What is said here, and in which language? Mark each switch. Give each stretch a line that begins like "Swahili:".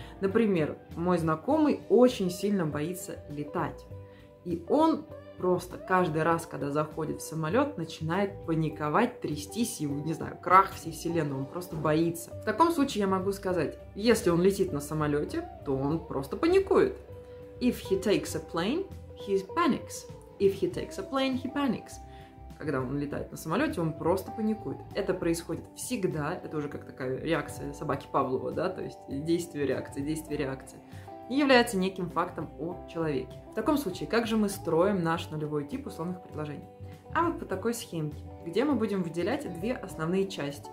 Russian: Например, мой знакомый очень сильно боится летать. И он просто каждый раз, когда заходит в самолет, начинает паниковать, трястись его, не знаю, крах всей вселенной, он просто боится. В таком случае я могу сказать, если он летит на самолете, то он просто паникует.
English: If he takes a plane, he panics. If he takes a plane, he panics.
Russian: Когда он летает на самолете, он просто паникует. Это происходит всегда, это уже как такая реакция собаки Павлова, да, то есть действие-реакция. И является неким фактом о человеке. В таком случае, как же мы строим наш нулевой тип условных предложений? А вот по такой схемке, где мы будем выделять две основные части.